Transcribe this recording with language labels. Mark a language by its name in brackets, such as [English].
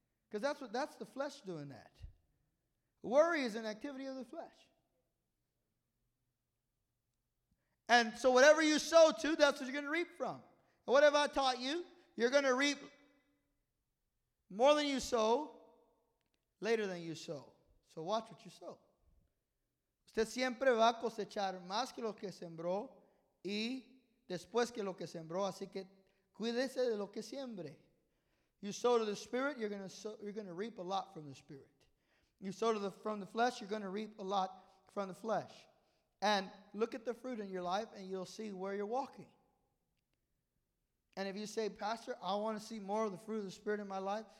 [English] Because that's the flesh doing that. Worry is an activity of the flesh. And so whatever you sow to, that's what you're going to reap from. And what have I taught you? You're going to reap more than you sow, later than you sow. So watch what you sow. [Spanish] Usted siempre va a cosechar más que lo que sembró y después que lo que sembró. Así que cuídese de lo que siembre. [English] You sow to the Spirit, you're going to reap a lot from the Spirit. You sow to from the flesh, you're going to reap a lot from the flesh. And look at the fruit in your life and you'll see where you're walking. And if you say, Pastor, I want to see more of the fruit of the Spirit in my life.